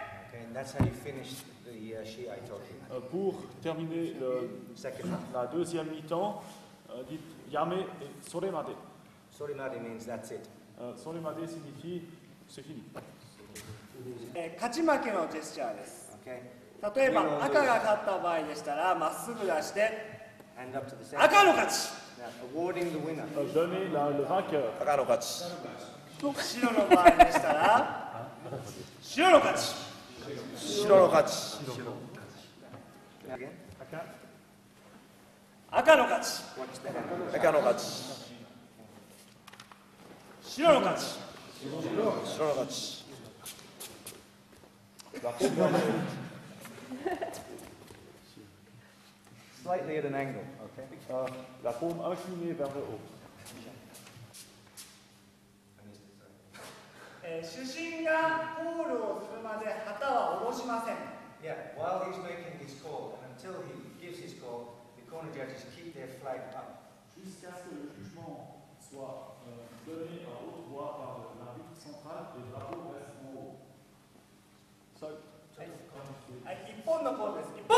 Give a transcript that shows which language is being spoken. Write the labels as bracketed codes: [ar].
[en] Okay, and that's how you finish the shiai toki. [fr] Pour terminer la deuxième mi-temps, dites yame et sore made. [en] Sore made means that's it. [fr] Sore made signifie c'est fini. [ja] 勝ち負けのジェスチャーです。 [en] Okay. [ja] 例えば赤が勝った場合でしたら、まっすぐ出して、 [en] Hand up to the [ja] 赤の勝ち。 [en] Now, awarding the winner. [fr] Donner la le vainqueur. [ja] 赤の勝ち。白の場合でしたら、白の勝ち。白の勝ち。赤の勝ち。赤の勝ち。白の勝ち。白の勝ち。 [en] Slightly at an angle, okay. [fr] La forme inclinée vers le haut. [ja] 主審がコールをするまで旗は下ろしません。 [en] Yeah, while he's making his call and until he gives his call, the corner judges keep their flag up. [fr] Jusqu'à ce que le jugement soit donné à haute voix par l'arbitre central et le drapeau reste en haut. [en] So, [ja] はい、一本のコールです。一本。